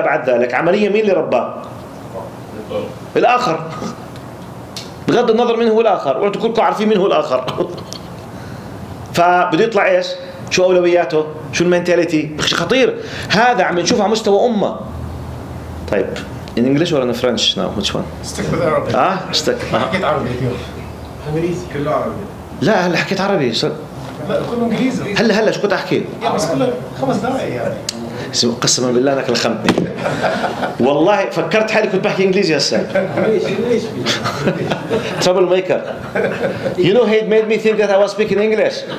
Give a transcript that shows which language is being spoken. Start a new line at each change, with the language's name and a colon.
Arabic: بعد ذلك عملية مين اللي رباه؟ الآخر، بغض النظر من هو الآخر، وانتم كلكم عارفين من هو الآخر. فبده يطلع ايش؟ شو أولوياته؟ شو المينتاليتي؟ خطير. هذا عم نشوفه على مستوى أمة. طيب
English: in English or in French now which one؟ stick with Arabic. stick.
Arabic: حكيت عربي اليوم. كله عربي. لا هلا حكيت عربي. لا كله انجليزي. هلا شو كنت احكي؟ بس كله خمس دقائق يعني. قسما بالله انك لخمتني والله، فكرت حالي كنت بحكي انجليزي هسه.
English: Trouble maker, you know he'd made me think that I was speaking English.